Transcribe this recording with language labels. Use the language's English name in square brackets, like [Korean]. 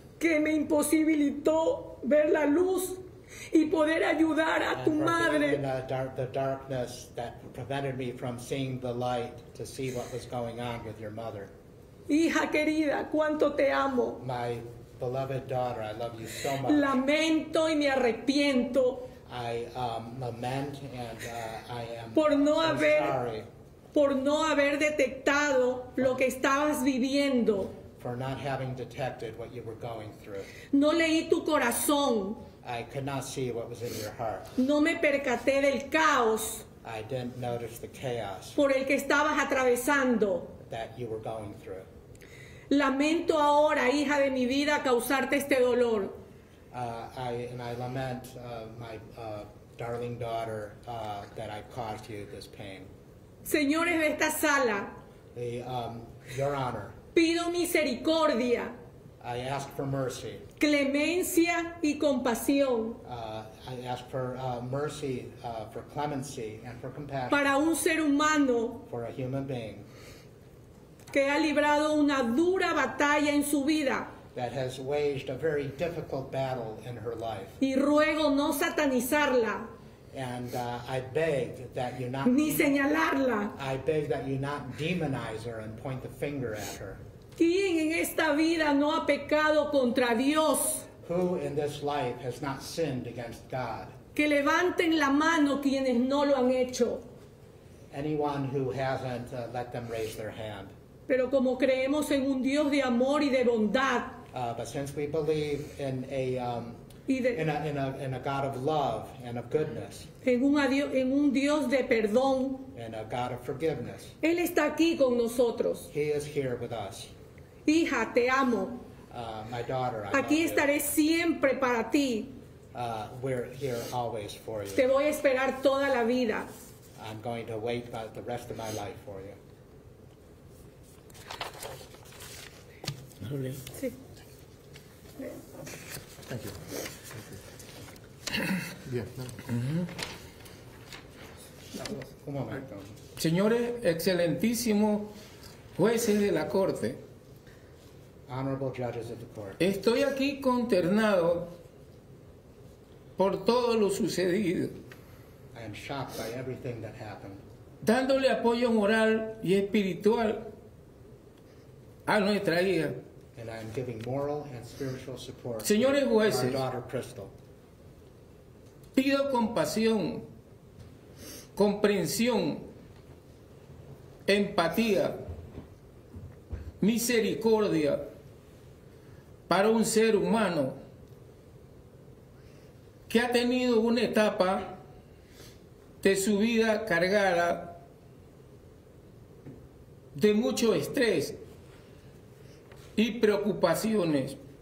[Spanish] Que me imposibilitó ver la luz y poder ayudar a tu madre. [English] And for being in the darkness that prevented me from seeing the light to see what was going on with your mother. [Spanish] Hija querida, cuánto te amo. [English] My beloved daughter, I love you so much. [Spanish] Lamento y me arrepiento. [English] I lament and I am [Spanish] por no [English] so [Spanish] haber, [English] sorry. [Spanish] Por no haber detectado lo que estabas viviendo. [English] For not having detected what you were going through. [Spanish] No leí tu corazón. [English] I could not see what was in your heart. [Spanish] No me percaté del caos. [English] I didn't notice the chaos. [Spanish] Por el que estabas atravesando. [English] That you were going through. [Spanish] Lamento ahora, hija de mi vida, causarte este dolor. [English] I lament my darling daughter, that I caused you this pain. [Spanish] Señores de esta sala. [English] Your Honor. [Spanish] Pido misericordia. [English] I ask for mercy. [Spanish] Clemencia y compasión. [English] I ask for mercy, for clemency, and for compassion. [Spanish] Para un ser humano. [English] For a human being. [Spanish] Que ha librado una dura batalla en su vida. [English] That has waged a very difficult battle in her life. [Spanish] Y ruego no satanizarla. [English] And I beg that you not... [Spanish] Ni señalarla. [English] I beg that you not demonize her and point the finger at her. [Spanish] ¿Quién en esta vida no ha pecado contra Dios? [English] Who in this life has not sinned against God? [Spanish] Que levanten la mano quienes no lo han hecho. [English] Anyone who hasn't, let them raise their hand. [Spanish] Pero como creemos en un Dios de amor y de bondad. [English] But since we believe in a, God of love and of goodness. [Spanish] En un Dios de perdón. [English] And a God of forgiveness. [Spanish] Él está aquí con nosotros. [English] He is here with us. [Spanish] Hija, te amo. [English] My daughter, I [Spanish] aquí [English] love [Spanish] estaré [English] you. [Spanish] Siempre para ti. [English] We're here always for you. [Spanish] Te voy a esperar toda la vida. [English] I'm going to wait about the rest of my life for you. [Spanish] Sí. [English] Thank you. [Spanish] Señores, excelentísimos jueces de la corte. [English] Honorable judges of the court. [Spanish] Estoy aquí consternado por todo lo sucedido. [English] I am shocked by everything that happened. [Spanish] Dándole apoyo moral y espiritual a nuestra hija. [English] And I am giving moral and spiritual support. [Spanish] Señores jueces, [English] to our daughter Crystal. [Spanish] Pido compasión, comprensión, empatía, misericordia para un ser humano que ha tenido una etapa de su vida cargada de mucho estrés y preocupaciones.